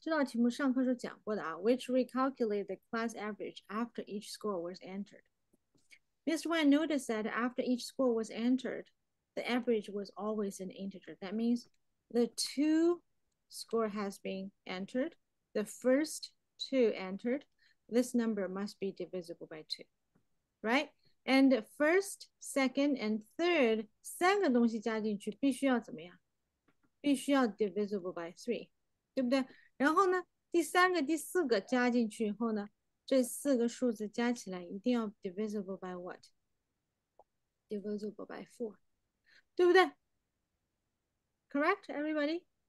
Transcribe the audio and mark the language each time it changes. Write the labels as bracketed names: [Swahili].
[Chinese] 这道题目上课时候讲过的啊， [English] which recalculated the class average after each score was entered. Mr. Wan noticed that after each score was entered, the average was always an integer. That means the two score has been entered, the first two entered. This number must be divisible by two, right? And first, second, and third, [Chinese] 三个东西加进去必须要怎么样？必须要 [English] divisible by three， [Chinese] 对不对？然后呢，第三个、第四个加进去以后呢，这四个数字加起来一定要 [English] divisible by what？Divisible by four， [Chinese] 对不对？ [English] Correct, everybody?